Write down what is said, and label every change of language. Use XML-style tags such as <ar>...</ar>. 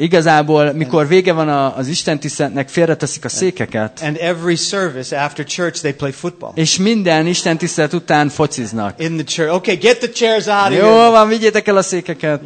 <hu>Igazából, mikor vége van az istentiszteletnek, félreteszik a székeket.</hu> <en>And every service after church they play football.</en> <hu>És minden istentisztelet után fociznak.</hu> <en>In the church. Okay, get the chairs out of here.</en> <hu>Jó, van, vigyétek el a székeket.</hu>